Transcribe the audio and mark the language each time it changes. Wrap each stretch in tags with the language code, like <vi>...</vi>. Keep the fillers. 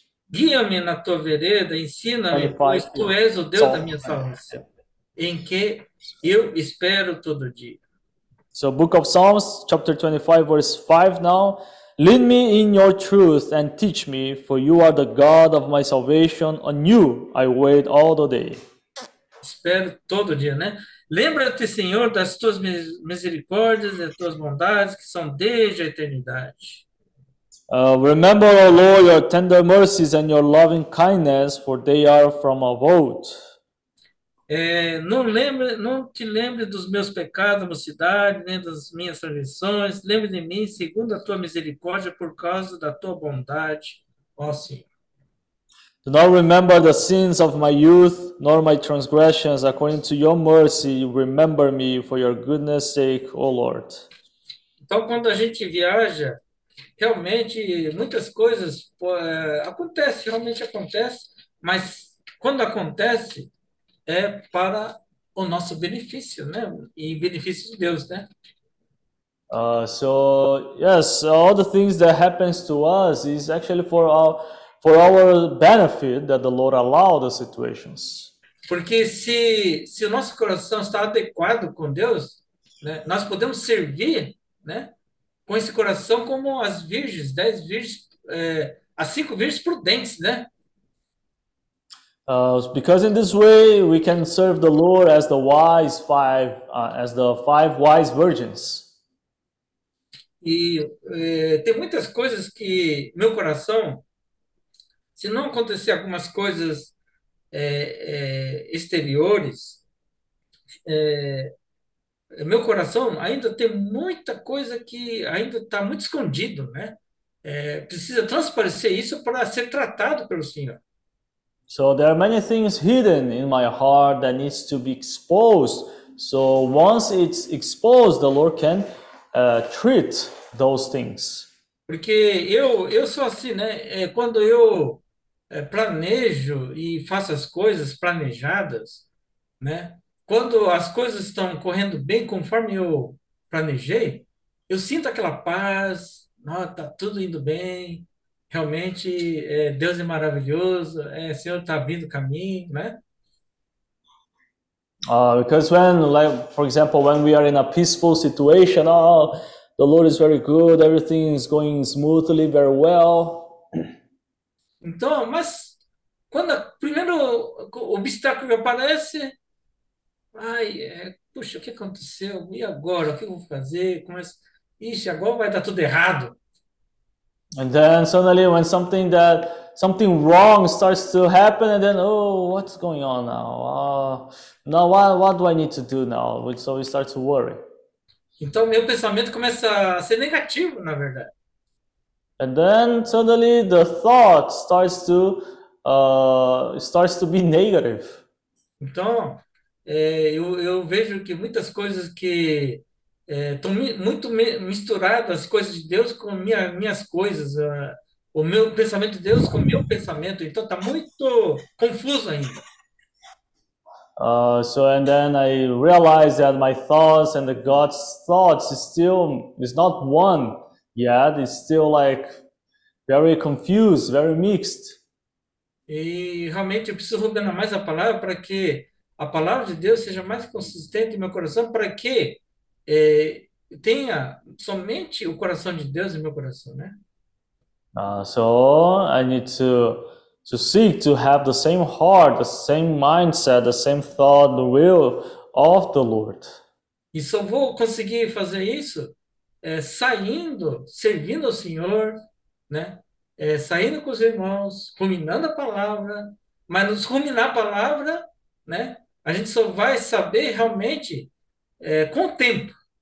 <pt>Guia-me na tua vereda, ensina-me, pois tu és o Deus 25. da minha salvação, em que eu espero todo dia.</pt> <en>So, Book of Psalms, chapter 25, verse 5 now. Lead me in your truth and teach me, for you are the God of my salvation. On you I wait all the day.</en> <pt>Espero todo dia, né? Lembra-te, Senhor, das tuas misericórdias e das tuas bondades, que são desde a eternidade.</pt> <en>Uh, remember, O oh Lord, your tender mercies and your loving kindness, for they are from above.</en> <pt>É, não, lembre, não te lembre dos meus pecados, mocidade, nem das minhas transgressões. Lembre de mim, segundo a tua misericórdia, por causa da tua bondade, ó Senhor.</pt> <en>Do not remember the sins of my youth, nor my transgressions. According to your mercy, remember me for your goodness sake, O oh Lord.</en> <pt>Então, quando a gente viaja, realmente muitas coisas pô, é, acontece realmente acontece mas quando acontece é para o nosso benefício né e benefício de Deus né</pt> <en>uh, so yes all the things that happens to us is actually for our for our benefit that the Lord allow the situations</en> <pt>porque se se o nosso coração está adequado com Deus né, nós podemos servir né com esse coração como as virgens, dez né? virgens, eh, as cinco virgens prudentes, né?</pt> <en>Uh, because in this way we can serve the Lord as the wise five, uh, as the five wise virgins.</en> <pt>E eh, tem muitas coisas que meu coração, se não acontecer algumas coisas eh, exteriores, meu coração ainda tem muita coisa que ainda está muito escondido, né? É, precisa transparecer isso para ser tratado pelo Senhor.</pt> <en>So there are many things hidden in my heart that needs to be exposed. So once it's exposed, the Lord can uh, treat those things.</en> <pt>Porque eu eu sou assim, né? É, quando eu é, planejo e faço as coisas planejadas, né? quando as coisas estão correndo bem conforme eu planejei, eu sinto aquela paz, está oh, tudo indo bem, realmente é, Deus é maravilhoso, o é, Senhor está abrindo caminho, né?</pt> <en>Uh, because when, like, for example, when we are in a peaceful situation, oh, the Lord is very good, everything is going smoothly, very well.</en> <pt>Então, mas quando o primeiro obstáculo aparece, Ai, é, puxa, o que aconteceu? E agora? O que eu vou fazer? Começo... Ixi, agora vai dar tudo errado.</pt> <en>And then suddenly, when something that something wrong starts to happen, and then oh, what's going on now? Uh, now, why, what, do I need to do now? So we start to worry.</en> <pt>Então, meu pensamento começa a ser negativo, na verdade.</pt> <en>And then suddenly, the thought starts to uh, starts to be negative.</en> <pt>Então, é, eu, eu, vejo que muitas coisas que estão é, mi, muito misturadas as coisas de Deus com minha, minhas coisas uh, o meu pensamento de Deus com o meu pensamento então está muito confuso ainda</pt> <en>Uh, so and then I realized that my thoughts and the God's thoughts is still is not one yet. It's still like very, confused, very</en> <pt>E realmente eu preciso ordenar mais a palavra para que a palavra de Deus seja mais consistente em meu coração para que é, tenha somente o coração de Deus em meu coração, né?</pt> <en>Uh, so I need to to seek to have the same heart, the same mindset, the same thought, the will of the Lord.</en> <pt>E só vou conseguir fazer isso é, saindo, servindo o Senhor, né? É, saindo com os irmãos, ruminando a palavra, mas nos ruminar a palavra, né? A gente só vai saber realmente é, com o tempo.</pt>